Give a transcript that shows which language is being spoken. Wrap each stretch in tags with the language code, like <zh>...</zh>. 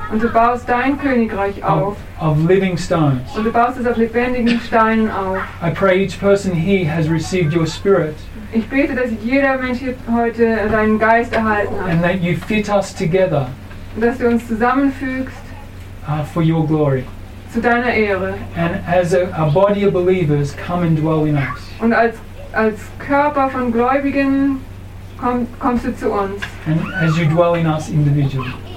<de>Und du baust dein Königreich auf.</de> <en>Of living stones.</en> <de>Und du baust es auf lebendigen Steinen auf.</de> <en>I pray each person here has received your spirit.</en> <de>Ich bete, dass jeder Mensch hier heute deinen Geist erhalten hat.</de> <en>And that you fit us together.</en> <de>Dass du uns zusammenfügst.</de> <en>For your glory.</en> <de>Zu deiner Ehre.</de> <en>And as a body of believers, come and dwell in us.</en> <de>Und als Körper von Gläubigen kommst du zu uns.</de> <en>And as you dwell in us individually.</en>